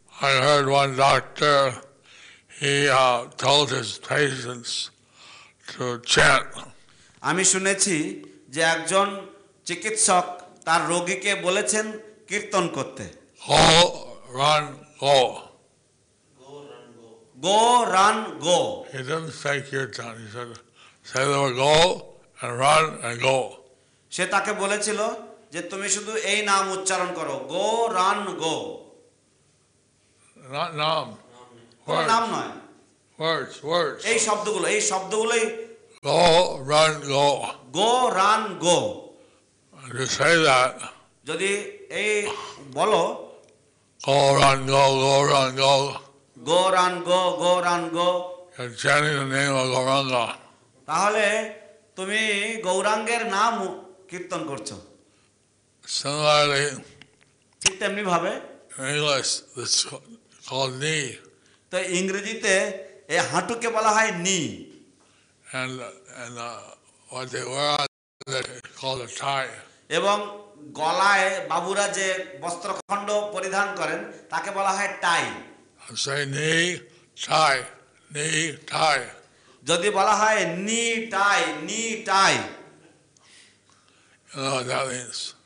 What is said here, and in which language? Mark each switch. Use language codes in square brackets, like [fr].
[en] I heard one doctor, he told his patients to chant. [bn] আমি শুনেছি যে একজন চিকিৎসক তার রোগীকে বলেছেন কীর্তন করতে [en] Go, run, go. Go, run, go. He didn't say kirtan. He said, say the word go and run and go. [bn] সে তাকে বলেছিল যে তুমি শুধু এই নাম উচ্চারণ করো গো রান গো না নাম কোন নাম নয় [en] words words [bn] এই শব্দগুলো এই শব্দগুলোই [en] go run go go run go you say that [bn] যদি এই বলো [en] go run go go run go Go run go go run go. You're chanting the name of Gauranga. [bn] তাহলে তুমি গৌরাঙ্গের নাম কীর্তন করছো. [en] Similarly. [bn] ঠিক তেমনি ভাবে. [en] English, this is called knee. [bn] তো ইংরেজিতে এই হাঁটুকে বলা হয় নি. [en] And what they wear on it is called a tie. [bn] এবং গলায় বাবুরা যে বস্ত্রখণ্ড পরিধান করেন তাকে বলা হয় টাই. [en] I'm saying knee tie, knee tie. [bn] যদি বলা হয় [en] knee tie, knee tie. You know what that means.